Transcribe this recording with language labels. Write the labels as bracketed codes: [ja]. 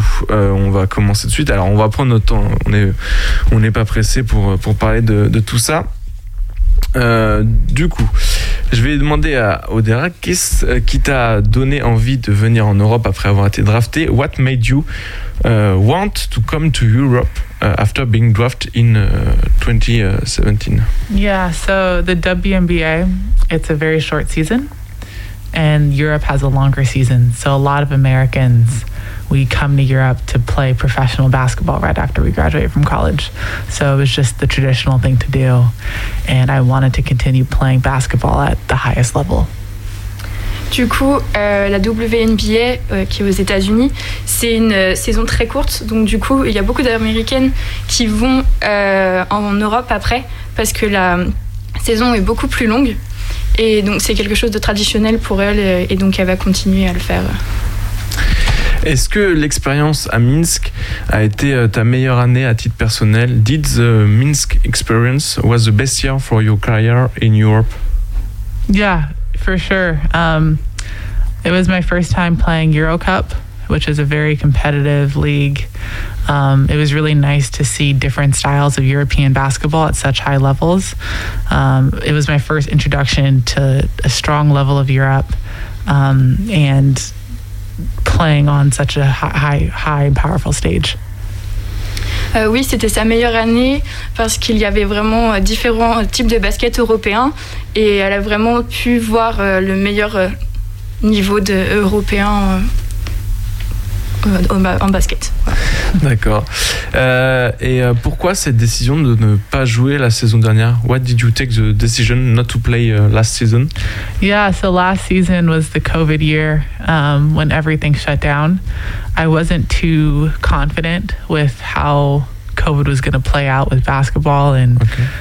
[fr] On va commencer de suite. Alors, on va prendre notre temps, on n'est pas pressé pour parler de tout ça. Je vais demander à Odera, qu'est-ce qui t'a donné envie de venir en Europe après avoir été drafté? [en] What made you want to come to Europe after being drafted in 2017? Yeah, so the WNBA, it's a very short season, and Europe has a longer season. So a lot of Americans, we come to Europe to play professional basketball right after we graduate from college. So it was just the traditional thing to do, and I wanted to continue playing basketball at the highest level. [fr] Du coup, la WNBA qui est aux États-Unis, c'est une saison très courte. Donc du coup, il y a beaucoup d'Américaines qui vont en Europe après parce que la saison est beaucoup plus longue. Et donc c'est quelque chose de traditionnel pour elle et donc elle va continuer à le faire. Est-ce que l'expérience à Minsk a été ta meilleure année à titre personnel? [en] Did the Minsk experience was the best year for your career in Europe? Yeah. For sure. It was my first time playing Euro Cup, which is a very competitive league. It was really nice to see different styles of European basketball at such high levels. It was my first introduction to a strong level of Europe and playing on such a high and powerful stage. [fr] Oui, c'était sa meilleure année parce qu'il y avait vraiment différents types de basket européens et elle a vraiment pu voir le meilleur niveau de européen en basket. D'accord. Et pourquoi cette décision de ne pas jouer la saison dernière? [en] What did you take the decision not to play last season? Yeah, so last season was the COVID year when everything shut down. I wasn't too confident with how COVID was going to play out with basketball and okay.